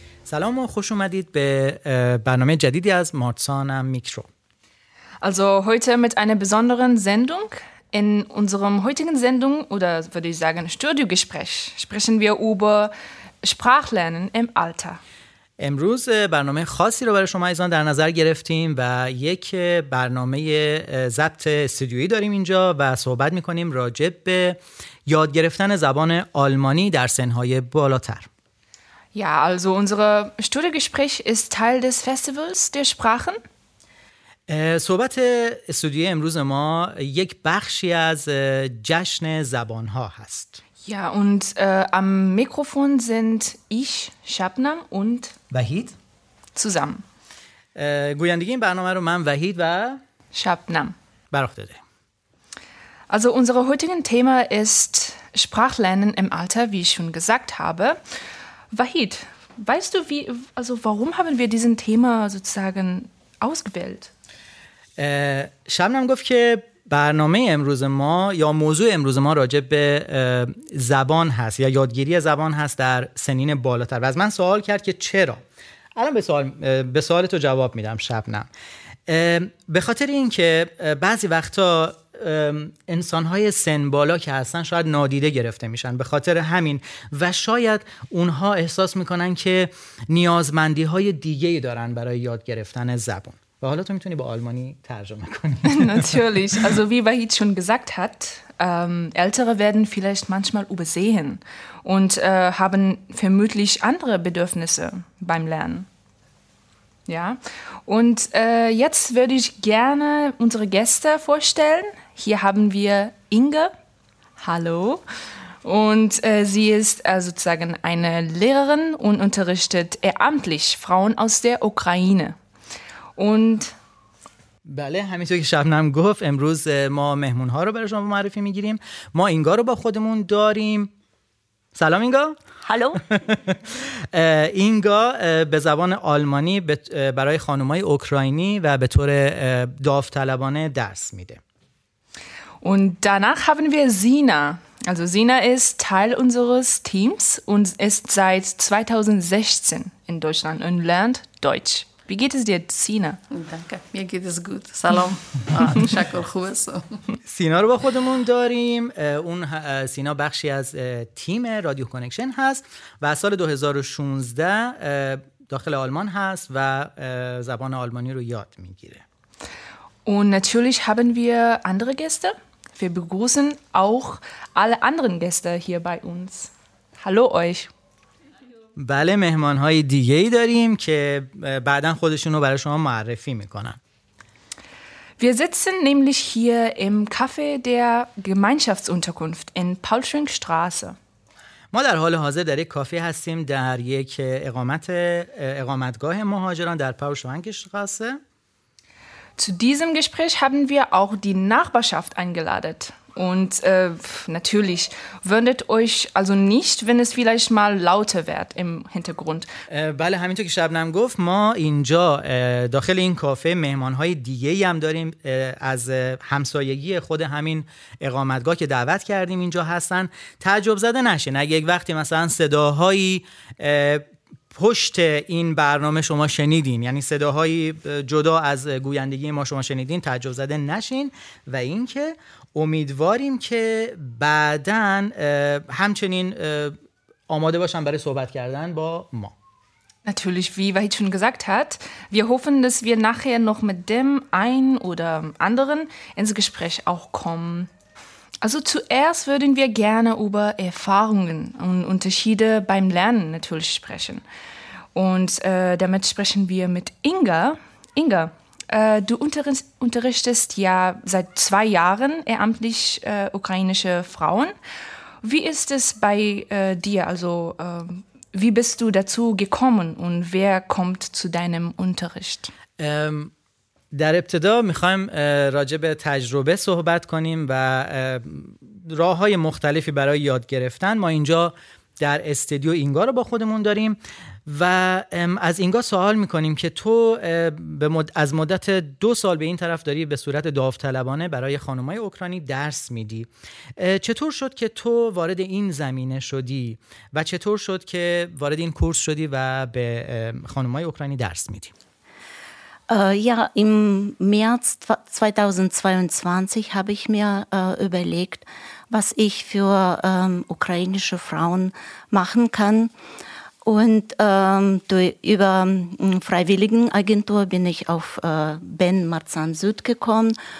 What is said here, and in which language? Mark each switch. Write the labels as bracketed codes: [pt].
[fa] سلام و خوش اومدید به برنامه جدیدی از مارتان ام میکرو. [de] Also heute mit einer besonderen Sendung. In unserem heutigen Sendung, oder würde ich sagen Studiogespräch, sprechen wir über Sprachlernen im Alter. [fa] امروز برنامه خاصی رو برای شما ایزان در نظر گرفتیم و یک برنامه ضبط استودیویی داریم اینجا و صحبت می‌کنیم راجع به یاد گرفتن زبان آلمانی در سن‌های بالاتر. [de] Ja, also unser Studiogespräch ist Teil des Festivals der Sprachen. [fa] صحبت استودیوی امروز ما یک بخشی از جشن زبان‌ها هست. [de] Ja, und am Mikrofon sind ich, Shabnam und Wahid zusammen. [fa] گویندگی این برنامه رو من وحید و Shabnam بر عهده داریم. [de] Also unser heutigen Thema ist Sprachlernen im Alter, wie ich schon gesagt habe. Wahid, weißt du, wie, also warum haben wir diesen Thema sozusagen ausgewählt? [fa] Shabnam گفت که برنامه امروز ما یا موضوع امروز ما راجع به زبان هست یا یادگیری زبان هست در سنین بالاتر و از من سوال کرد که چرا؟ الان به سوال تو جواب میدم شبنم. به خاطر این که بعضی وقتا انسانهای سن بالا که هستن شاید نادیده گرفته میشن به خاطر همین و شاید اونها احساس میکنن که نیازمندی های دیگه ای دارن برای یاد گرفتن زبان. [de] Natürlich, also wie Wahid schon gesagt hat, Ältere werden vielleicht manchmal übersehen und haben vermutlich andere Bedürfnisse beim Lernen. Ja, und jetzt würde ich gerne unsere Gäste vorstellen. Hier haben wir Inge, hallo, und sie ist sozusagen eine Lehrerin und unterrichtet ehrenamtlich Frauen aus der Ukraine. Und [fa] بله همینطور که شبنم گفت امروز ما مهمون ها رو برای شما معرفی میگیریم ما اینگا رو با خودمون داریم سلام اینگا [de] هالو [fa] اینگا به زبان آلمانی برای خانم های اوکراینی و به طور داوطلبانه درس میده [de] Und danach haben wir Sina. Also Sina ist Teil unseres Teams und ist seit 2016 in Deutschland und lernt Deutsch. Wie geht es dir, Sina? Danke, mir geht es gut. Salam. [fa] شکر خوب است. سینا رو با خودمون داریم. اون سینا بخشی از تیم رادیو کانکشن هست و سال 2016 داخل آلمان هست و زبان آلمانی رو یاد میگیره. [de] Und natürlich haben wir andere Gäste. Wir begrüßen auch alle anderen Gäste hier bei uns. Hallo euch. [fa] بله مهمان‌های دیگه‌ای داریم که بعداً خودشون رو برای شما معرفی می‌کنن. [de] Wir sitzen nämlich hier im Café der Gemeinschaftsunterkunft in Paulschwingstraße. [fa] ما در حال حاضر در یک کافه هستیم در یک اقامتگاه مهاجران در Paulschwingstraße. [de] Zu diesem Gespräch haben wir auch die Nachbarschaft eingeladen. Und natürlich wundert euch also nicht, wenn es vielleicht mal lauter wird im Hintergrund. [fa] بله همینطور که شبنم گفت ما اینجا داخل این کافه مهمان‌های دیگه‌ای هم داریم از همسایگی خود همین اقامتگاه که دعوت کردیم اینجا هستن تعجب زده نشین اگه یک وقتی مثلا صداهایی پشت این برنامه شما شنیدین یعنی صداهایی جدا از گویندگی ما شما شنیدین تعجب زده نشین و اینکه امیدواریم که بعداً همچنین آماده باشن برای صحبت کردن با ما. [de] Natürlich, wie Wahid schon gesagt hat, wir hoffen, dass wir nachher noch mit dem einen oder anderen ins Gespräch auch kommen. Also zuerst würden wir gerne über Erfahrungen und Unterschiede beim Lernen natürlich sprechen. Und damit sprechen wir mit Inga. Inga. Du unterrichtest ja seit 2 Jahren ehrenamtlich ukrainische Frauen. Wie ist es bei dir? Also wie bist du dazu gekommen und wer kommt zu deinem Unterricht? [fa] در ابتدا میخوایم راجع به تجربه صحبت کنیم و راه‌های مختلفی برای یاد گرفتن. ما اینجا در استدیو اینگا رو با خودمون داریم و از اینگا سوال میکنیم که تو از مدت 2 سال به این طرف داری به صورت داوطلبانه برای خانمای اوکراینی درس میدی. چطور شد که تو وارد این زمینه شدی و چطور شد که وارد این کورس شدی و به خانمای اوکراینی درس میدی؟ [de] Ja, im März 2022 habe ich mir überlegt, was ich für ukrainische Frauen machen kann. Und über Freiwilligenagentur bin ich auf Ben Marzahn Süd gekommen.